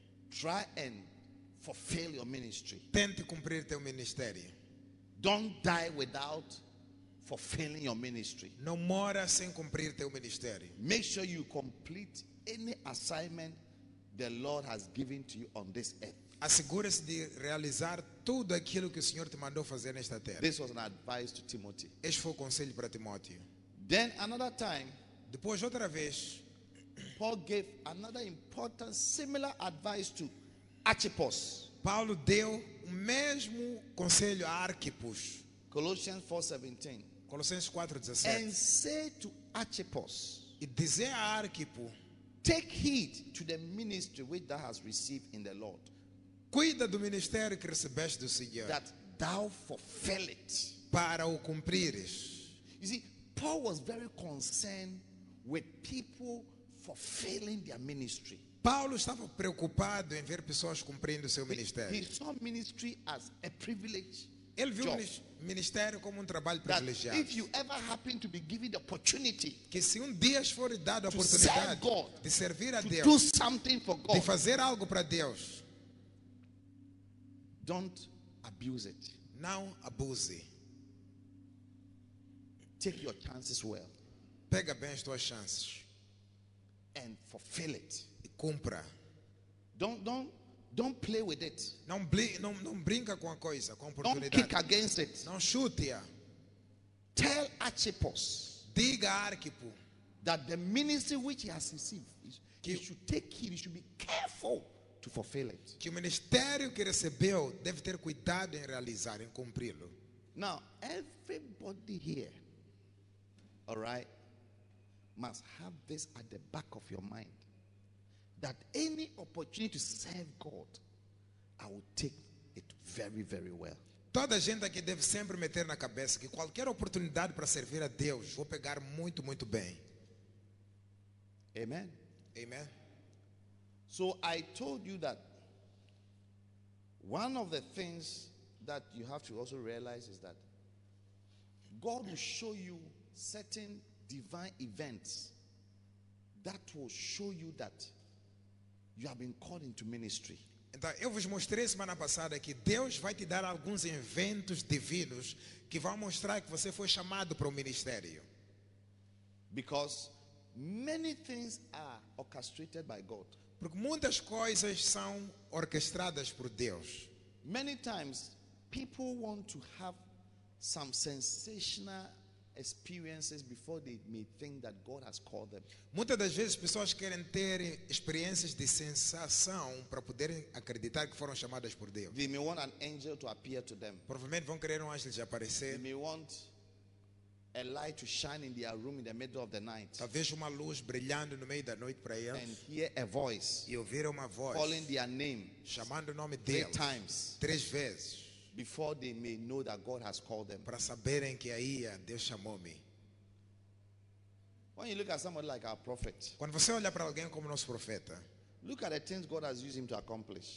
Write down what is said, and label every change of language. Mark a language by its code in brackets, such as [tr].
[en] Try and fulfill your ministry. [pt] Tente cumprir teu ministério. [en] Don't die without fulfilling your ministry. [pt] Não mora sem cumprir teu ministério. [en] Make sure you complete any assignment the Lord has given to you on this earth. [pt] Assegure-se de realizar tudo aquilo que o Senhor te mandou fazer nesta terra. [en] This was an advice to Timothy. [pt] Este foi o conselho para Timóteo. [en] Then another time, [pt] depois outra vez, [en] Paul gave another important similar advice to Archippus. [pt] Paulo deu o mesmo conselho a Arquipus. [en] Colossians 4:17. [pt] Colossenses 4:17. [en] And say to Archippus. [pt] E dizer a Arquipo. [en] Take heed to the ministry which thou hast received in the Lord. [pt] Cuida do ministério que recebeste do Senhor. [en] That thou fulfill it. [pt] Para o cumprires. [en] You see, Paul was very concerned with people fulfilling their ministry. [pt] Paulo estava preocupado em ver pessoas cumprindo seu ministério. [en] He saw ministry as a privilege. [pt] Ele viu [en] job. [pt] Ministério como trabalho [en] that [pt] privilegiado. [en] If you ever happen to be given the opportunity, [pt] que se dia for dado a oportunidade [en] God, [pt] de servir a [en] to [pt] Deus, [en] do something for God, [pt] de fazer algo para Deus, [en] don't abuse it. [pt] Não abuse. [en] Take your chances well. [pt] Pega bem as tuas chances. [en] And fulfill it. [pt] E cumpra. [en] Don't play with it. [pt] Não brinca com a coisa, com a oportunidade. [en] Don't kick against it. [pt] Não chute. [en] Tell Archippus. [pt] Diga a Arquipo. [en] That the ministry which he has received, he should take heed, he should be careful to fulfill it. [pt] Que o ministério que recebeu deve ter cuidado em realizar, em cumpri-lo. [en] Now, everybody here, all right, must have this at the back of your mind. That any opportunity to serve God, I will take it very, very well. [pt] Toda a gente aqui deve sempre meter na cabeça que qualquer oportunidade para servir a Deus, vou pegar muito, muito bem. [en] Amen. [pt] Amen. [en] So I told you that one of the things that you have to also realize is that God will show you certain divine events that will show you that you have been called into ministry. [pt] Então, eu vos mostrei semana passada que Deus vai te dar alguns eventos divinos que vão mostrar que você foi chamado para o ministério. [en] Because many things are orchestrated by God. [pt] Porque muitas coisas são orquestradas por Deus. [en] Many times people want to have some sensational experiences before they may think that God has called them. [pt] Muitas das vezes pessoas querem ter experiências de sensação para poderem acreditar que foram chamadas por Deus. [en] They may want an angel to appear to them. [pt] Provavelmente vão querer um anjo lhes aparecer. [en] They may want a light to shine in their room in the middle of the night. [pt] Talvez uma luz brilhando no meio da noite para eles. [en] And hear a voice. [pt] E ouvir uma voz. [en] Calling their name. [pt] Chamando o nome deles. [en] Three times. [pt] Três vezes. [en] Before they may know that God has called them. [pt] Para saberem que aí Deus chamou-me. [en] When you look at somebody like our prophet. [pt] Quando você olha para alguém como nosso profeta. [en] Look at the things God has used him to accomplish.